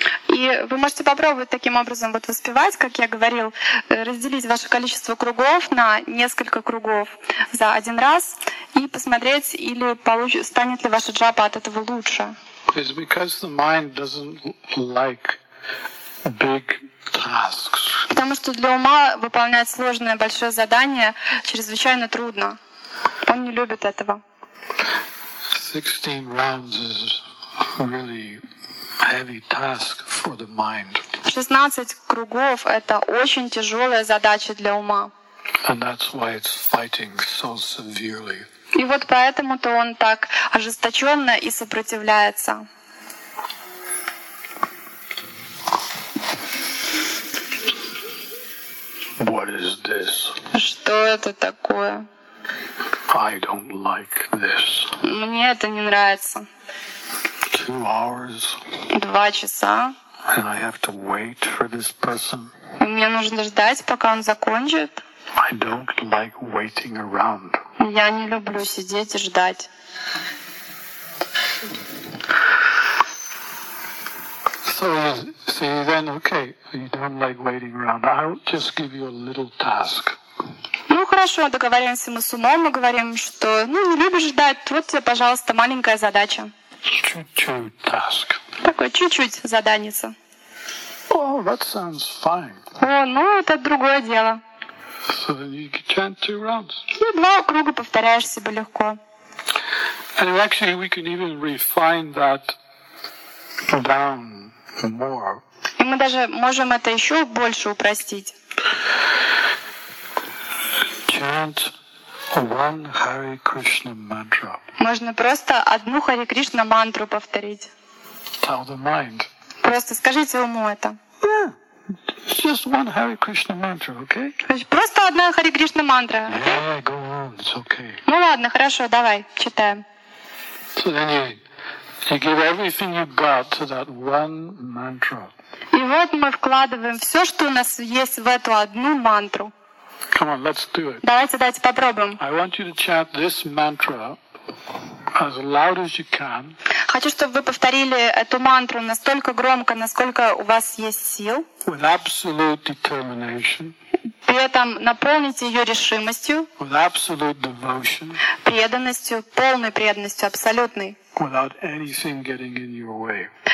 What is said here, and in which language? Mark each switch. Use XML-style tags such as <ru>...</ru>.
<ru>И вы можете попробовать таким образом вот воспевать, как я говорил, разделить ваше количество кругов на несколько кругов за один раз и посмотреть, или станет ли ваша джапа от этого лучше.</ru> <en>Is because the mind doesn't like big tasks.</en> <ru>Потому что для ума выполнять сложное большое задание чрезвычайно трудно. Он не любит этого.</ru> <en>16 rounds is really heavy task for the mind.</en> <ru>16 кругов это очень тяжелая задача для ума.</ru> <en>And that's why it's fighting so severely.</en> <ru>И вот поэтому-то он так ожесточенно и сопротивляется.</ru> <en>What is this?</en> <ru>Что это такое?</ru> <en>I don't like this.</en> <ru>Мне это не нравится.</ru> <en>2 hours.</en> <ru>2 часа.</ru> <en>And I have to wait for this person.</en> <ru>И мне нужно ждать, пока он закончит.</ru> <en>I don't like waiting around.</en> <ru>Я не люблю сидеть и ждать.</ru> <en>So, see, then, okay, you don't like waiting around. I'll just give you a little task.</en> <ru>Ну хорошо, договоримся мы с умом, мы говорим, что ну не любишь ждать, вот тебе, пожалуйста, маленькая задача. Чуть-чуть task. Такой чуть-чуть заданица.</ru> <en>Oh, that sounds fine.</en> <ru>О, ну это другое дело.</ru> <en>So then you chant 2 rounds.</en> <ru>Ну, 2 круга повторяешь себе легко.</ru> <en>And actually, we can even refine that down more.</en> <ru>И мы даже можем это еще больше упростить.</ru> <en>chant one Hare Krishna mantra.</en> <ru>Можно просто одну Харе Кришна мантру повторить.</ru> <en>Tell the mind.</en> <ru>Просто скажите уму это.</ru> <en>Yeah. It's just one Hare Krishna mantra, okay?</en> <ru>Просто одна Харе Кришна мантра.</ru> <en>Yeah, go on. It's okay.</en> <ru>Ну ладно, хорошо, давай, читаем.</ru> <en>So then you give everything you got to that one mantra.</en> <ru>И вот мы вкладываем все, что у нас есть, в эту одну мантру.</ru> <en>Come on, let's do it.</en> <ru>Давайте попробуем.</ru> <en>I want you to chant this mantra as loud as you can.</en> <ru>Хочу, чтобы вы повторили эту мантру настолько громко, насколько у вас есть сил.</ru> <en>With absolute determination.</en> <ru>При этом наполните ее решимостью.</ru> <en>With absolute devotion.</en> <ru>Преданностью, полной преданностью, абсолютной.</ru> <en>Without anything getting in your way.</en>